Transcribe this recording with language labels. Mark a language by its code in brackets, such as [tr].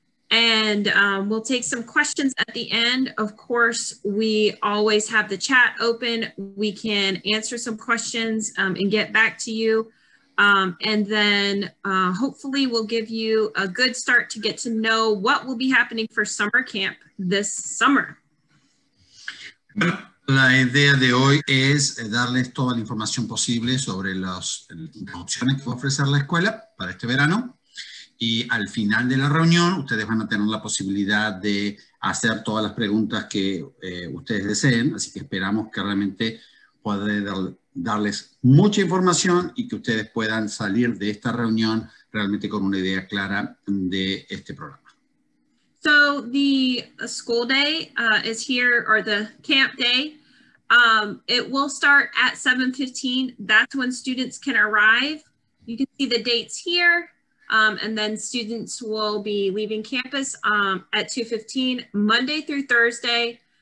[en] And we'll take some questions at the end. Of course, we always have the chat open. We can answer some questions and get back to you. And then hopefully we'll give you a good start to get to know what will be happening for summer camp this summer. [es] La idea de hoy es darles toda la información posible sobre las opciones que va a ofrecer la escuela para este verano. Y al final de la reunión, ustedes van a tener la posibilidad de hacer todas las preguntas que ustedes deseen. Así que esperamos que realmente pueda darles mucha información y que ustedes puedan salir de esta reunión realmente con una idea clara de este programa. [en] So the school day is here, or the camp day. It will start at 7:15. That's when students can arrive. You can see the dates here. And then students will be leaving campus at 2:15, Monday through Thursday.